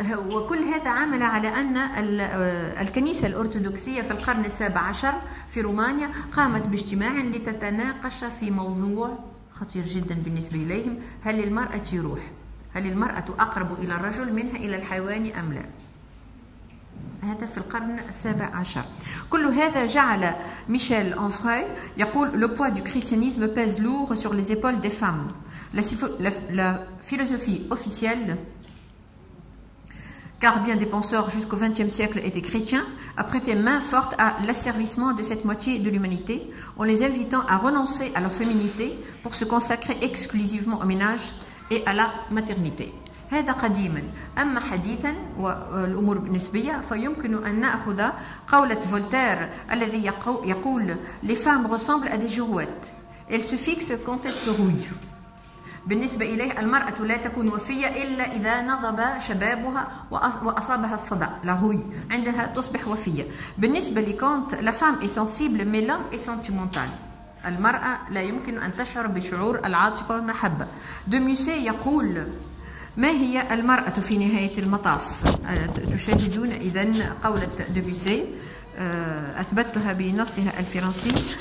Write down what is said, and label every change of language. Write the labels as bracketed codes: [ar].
[ar] وكل هذا عمل على أن الكنيسة الأرثوذكسية في القرن 17 في رومانيا قامت باجتماع لتتناقش في موضوع خطير جدا بالنسبة إليهم. هل المرأة روح؟ هل المرأة أقرب إلى الرجل منها إلى الحيوان أم لا؟ هذا في القرن 17. كل هذا جعل ميشيل أنفري يقول [fr] le poids du christianisme pèse lourd sur les épaules des femmes. La philosophie officielle, car bien des penseurs jusqu'au XXe siècle étaient chrétiens, a prêté main forte à l'asservissement de cette moitié de l'humanité en les invitant à renoncer à leur féminité pour se consacrer exclusivement au ménage et à la maternité. [ar] هذا قديما. أما حديثا والأمور نسبية فيمكن أن نأخذ قولة فولتير الذي يقول [fr] les femmes ressemblent à des girouettes. Elles se fixent quand elles se rouillent. [ar] بالنسبة إليه المرأة لا تكون وفية إلا إذا نضب شبابها وأصابها الصدع [fr] la rouille. [ar] عندها تصبح وفية. بالنسبة لكونت [fr] la femme est sensible mais l'homme est sentimental. [ar] المرأة لا يمكن أن تشعر بشعور العاطفة والمحبة. دوميسي يقول ما هي المرأة في نهاية المطاف؟ تشاهدون إذن قولة دوبيسي أثبتها بنصها الفرنسي.